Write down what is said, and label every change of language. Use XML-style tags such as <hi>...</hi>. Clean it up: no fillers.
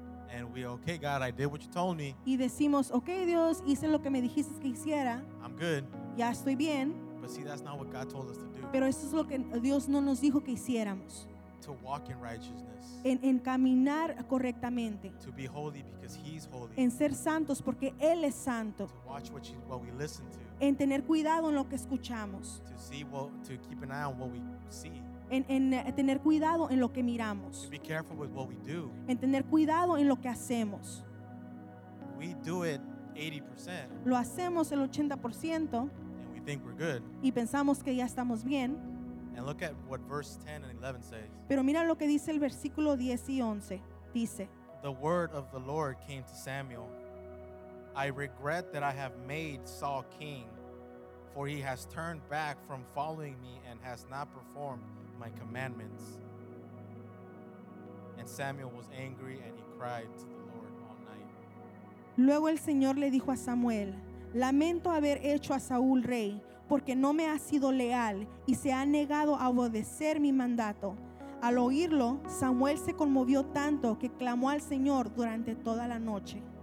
<en>And we, okay, God, I did what you told me.</en> <es>Y decimos, okay, Dios, hice lo que me dijiste que hiciera.</es> <en>I'm good.</en> <es>Ya estoy bien.</es> <en>But see, that's not what God told us to do.</en> <es>Pero eso es lo que Dios no nos dijo que hiciéramos.</es> <en>To walk in righteousness.</en> <es>En caminar correctamente.</es> <en>To be holy because he's holy.</en> <es>En ser santos porque él es santo.</es> <en>To watch what we listen to.</en> <es>En tener cuidado en lo que escuchamos.</es> <en>To see what, to keep an eye on what we see.</en> <es>En tener cuidado en lo que miramos.</es> <en>To be careful with what we do.</en> <es>En tener cuidado en lo que hacemos.</es> <en>We do it 80%.</en> <es>Lo hacemos el 80%.</es> <en>And we think we're good.</en> <es>Y pensamos que ya estamos bien.</es> <en>And look at what verse 10 and 11 says.</en> <es>Pero mira lo que dice el versículo 10 y 11. Dice:</es> <en>The word of the Lord came to Samuel. I regret that I have made Saul king, for he has turned back from following me and has not performed my commandments. And Samuel was angry and he cried to the Lord all night.</en> <es>Luego el Señor le dijo a Samuel: Lamento haber hecho a Saúl rey, porque no me ha sido leal y se ha negado a obedecer mi mandato. Al oírlo, Samuel se conmovió tanto que clamó al Señor durante toda la noche.</es>